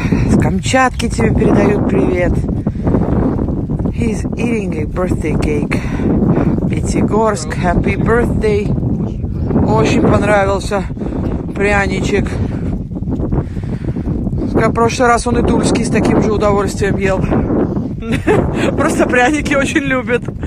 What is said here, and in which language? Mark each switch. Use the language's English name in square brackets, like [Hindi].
[Russian] С Камчатки тебе передают привет. [English] He's eating a birthday cake. Пятигорск, happy birthday. [Russian] Очень понравился пряничек. Как в прошлый раз он и тульский с таким же удовольствием ел. Просто пряники очень любит.